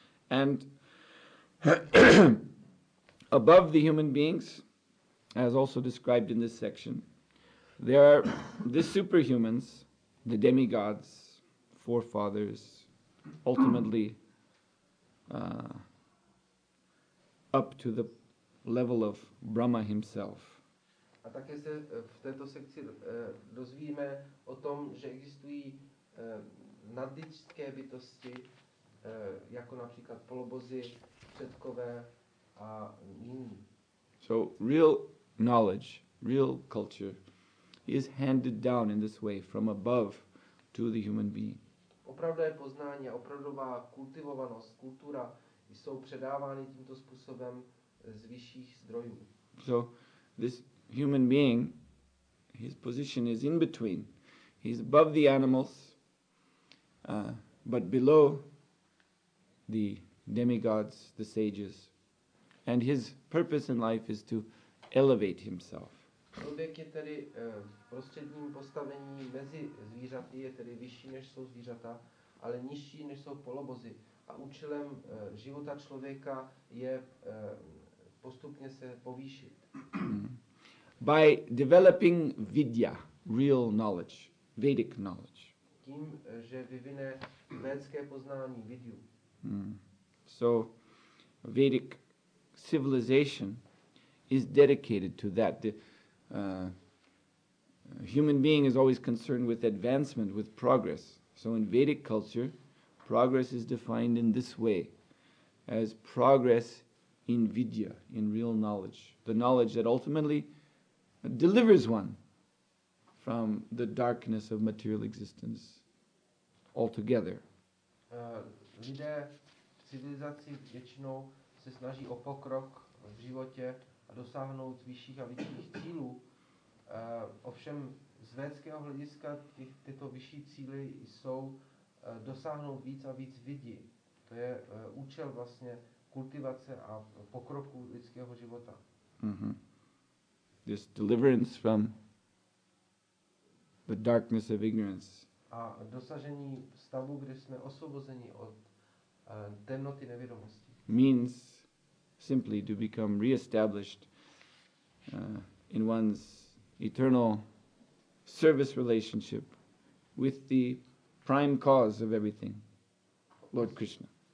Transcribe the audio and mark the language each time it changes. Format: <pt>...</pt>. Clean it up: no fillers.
<en>And above the human beings, as also described in this section, there are the superhumans, the demigods, forefathers, ultimately up to the level of Brahma himself.</en> <cs>A také se v této sekci dozvíme o tom, že existují nadlidské bytosti, jako například polobozy, předkové a jiní.</cs> <en>So real knowledge, real culture is handed down in this way from above to the human being.</en> <cs>Opravdové poznání a opravdová kultivovanost, kultura jsou předávány tímto způsobem z vyšších zdrojů.</cs> <en>So this human being, his position is in between. He's above the animals, but below the demigods, the sages. And his purpose in life is to elevate himself.</en> <cs>Člověk je tedy v prostředním postavení mezi zvířaty, je tedy vyšší než jsou zvířata, ale nižší než jsou polobozy. A účelem života člověka je postupně se povýšit.</cs> <en>By developing vidya, real knowledge, Vedic knowledge.</en> <cs>Tím, že vyvine védské poznání, vidyu.</cs> <en>So, Vedic civilization is dedicated to that. The human being is always concerned with advancement, with progress. So in Vedic culture, progress is defined in this way, as progress in vidya, in real knowledge. The knowledge that ultimately delivers one from the darkness of material existence altogether.</en> <cs>Lidé v civilizaci většinou se snaží o pokrok v životě a dosáhnout vyšších a vyšších cílů. Ovšem z védského hlediska tyto vyšší cíly jsou dosáhnout víc a víc vidí. To je účel vlastně kultivace a pokroku lidského života.</cs> <en>Mm-hmm. This deliverance from the darkness of ignorance.</en> <cs>A dosažení stavu, kde jsme osvobozeni od temnoty nevědomosti.</cs> <en>Means simply to become re-established in one's eternal service relationship with the prime cause of everything, Lord Krishna.</en>